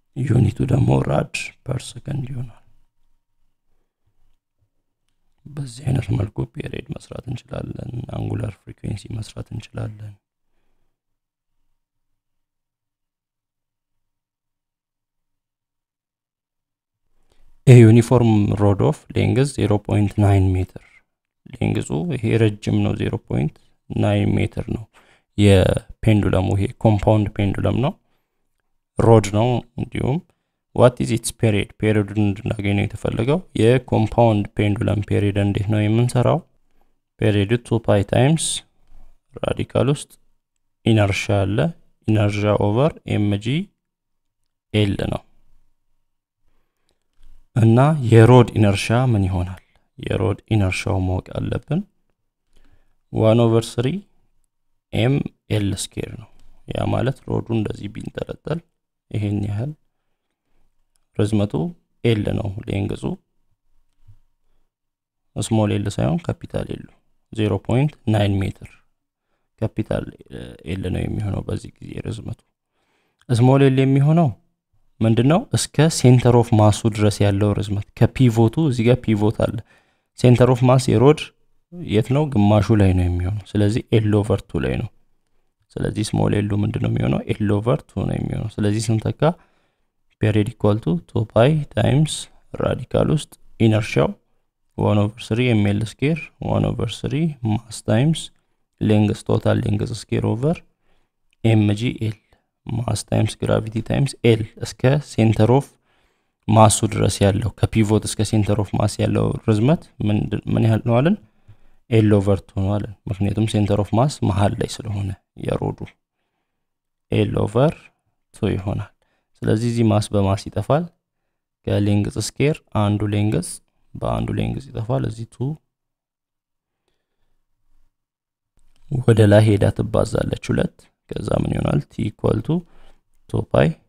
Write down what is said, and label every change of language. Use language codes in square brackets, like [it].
[am] ዩኒቱ ደግሞ ራድ ፐር ሰከንድ ይሆናል በዚህ አይነት መልኩ ፒሪድ መስራት እንችላለን አንጉላር ፍሪኩዌንሲ መስራት እንችላለን [en] A uniform rod of length 0.9 meter. [am] Length ይሄ ረጅም ነው 0.9 meter ነው. የpendulum ይሄ compound pendulum ነው. [en] Rod [am] ነው እንዲሁም [en] what is its period? [am] Period እንድናገኘው የተፈለገው የcompound pendulum period እንዴት ነው የምንሰራው? [en] Period 2 pi times radical ውስጥ inertia አለ. Inertia over mg l ነው. [am] እና የሮድ ኢነርሻ ምን ይሆናል የሮድ ኢነርሻው ማወቅ አለብን 1 ኦቨር 3 ኤም ኤል ስኩዌር ነው ያ ማለት ሮዱ እንደዚህ ቢንጠለጠል ይሄን ያህል ርዝመቱ ኤል ነው ሌንግዙ ስሞል ኤል ሳይሆን ካፒታል ኤል 0.9 meter. Capital L ነው የሚሆነው በዚህ ጊዜ ርዝመቱ. Small L የሚሆነው ምንድነው? እስከ center of mass ድረስ ያለው ርዝመት. ከፒቮቱ እዚህ ጋር ፒቮት አለ. Center of mass የሮድ የት ነው? ግማሹ ላይ ነው የሚሆነው. ስለዚህ L over 2 ላይ ነው. ስለዚህ small L ምንድነው የሚሆነው? [en] L over 2 ነው የሚሆነው. ስለዚህ ስንተካ period equal to 2 pi times radical ውስጥ inertia 1 over 3 ml square 1 over 3 mass times length total length square over mg L mass times gravity times L እስከ center of mass ድረስ ያለው ከፒቮት እስከ center of mass [am] ያለው ርዝመት ምን ያህል ነው አለን? L over 2 ነው አለን። ምክንያቱም center of mass መሃል ላይ ስለሆነ የሮዱ L over 2 ይሆናል። ስለዚህ እዚህ ማስ በማስ ይጣፋል ከሌንግዝ ስኬር አንዱ ሌንግዝ በአንዱ ሌንግዝ ይጣፋል እዚህ 2 ወደ ላይ ሄዳ ተባዛለች 2 ከዛ ምን ይሆናል t equal to 2 pi